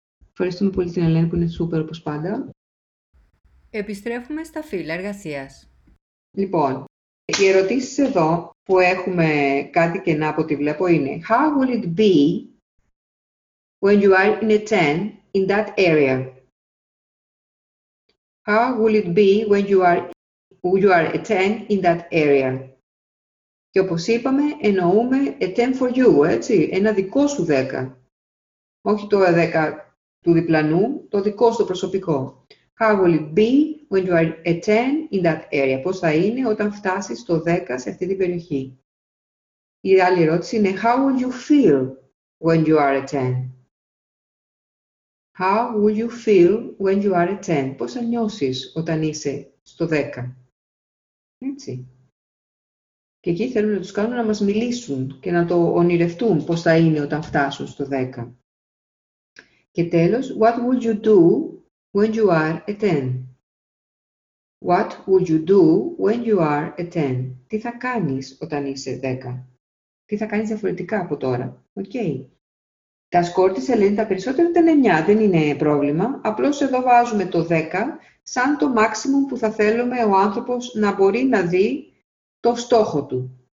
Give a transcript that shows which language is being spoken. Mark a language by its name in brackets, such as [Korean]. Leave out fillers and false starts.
[Greek] Ευχαριστούμε πολύ την Ελένη που είναι σούπερ όπως πάντα. Επιστρέφουμε στα φύλλα εργασίας. Λοιπόν, οι ερωτήσεις εδώ που έχουμε κάτι κενά από ό,τι βλέπω είναι [English] How will it be when you are in a tent in that area? How will it be when you are a tent in that area? [Greek] Και όπως είπαμε, εννοούμε [English] a 10 for you, [Greek] έτσι, ένα δικό σου 10. Όχι το 10 του διπλανού, το δικό σου το προσωπικό. [English] How will it be when you are a 10 in that area? [Greek] Πώς θα είναι όταν φτάσεις στο 10 σε αυτή την περιοχή. Η άλλη ερώτηση είναι [English] How will you feel when you are a 10? How will you feel when you are a 10? [Greek] Πώς θα νιώσεις όταν είσαι στο 10? Έτσι. Και εκεί θέλουμε να τους κάνουμε να μας μιλήσουν και να το ονειρευτούν πώς θα είναι όταν φτάσουν στο 10. Και τέλος, [English] what would you do when you are a 10? What would you do when you are a 10? [Greek] Τι θα κάνεις όταν είσαι 10? Τι θα κάνεις διαφορετικά από τώρα? Okay. Τα σκόρ της Ελένη τα περισσότερα ήταν 9, δεν είναι πρόβλημα. Απλώς εδώ βάζουμε το 10 σαν το maximum που θα θέλουμε ο άνθρωπος να μπορεί να δει το στόχο του.